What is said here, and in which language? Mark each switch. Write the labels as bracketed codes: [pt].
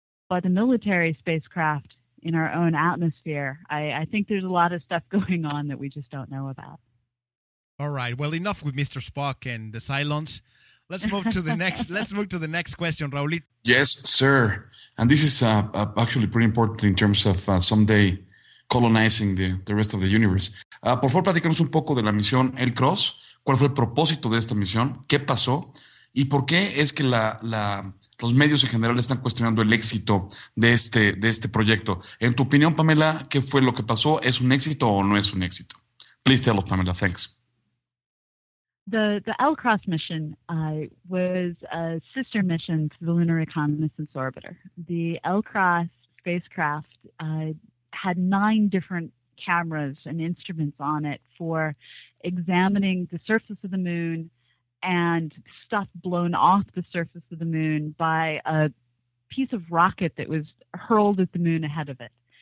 [en] But the military spacecraft in our own atmosphere, I think there's a lot of stuff going on that we just don't know about. All right. Well, enough with Mr. Spock and the Cylons. Let's move to the next. Let's move to the next question, Raulit. Yes, sir. And this is actually pretty important in terms of someday colonizing the rest of the universe. [es] Por favor, platícanos un poco de la misión El Cross. ¿Cuál fue el propósito de esta misión? ¿Qué pasó? ¿Y por qué es que los medios en general están cuestionando el éxito de este proyecto? En tu opinión, Pamela, ¿qué fue lo que pasó? ¿Es un éxito o no es un éxito? [en] Please tell us, Pamela. Thanks. The El Cross mission was a sister mission to the Lunar Reconnaissance Orbiter. The El Cross spacecraft had 9 different cameras and instruments on it for examining the surface of the moon and stuff blown off the surface of the moon by a piece of rocket that was hurled at the moon ahead of it.